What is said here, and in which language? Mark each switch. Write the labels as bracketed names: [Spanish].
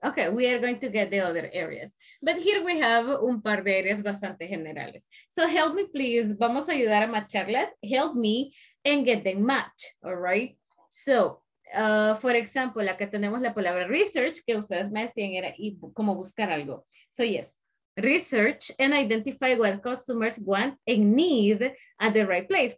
[English] Okay, we are going to get the other areas. But here we have [Spanish] un par de áreas bastante generales. [English] So, help me, please. [Spanish] Vamos a ayudar a matcharlas. [English] Help me and get them matched, all right? So, for example, [Spanish] acá tenemos la palabra research, que ustedes me decían era y como buscar algo. [English] So, yes. Research and identify what customers want and need at the right place.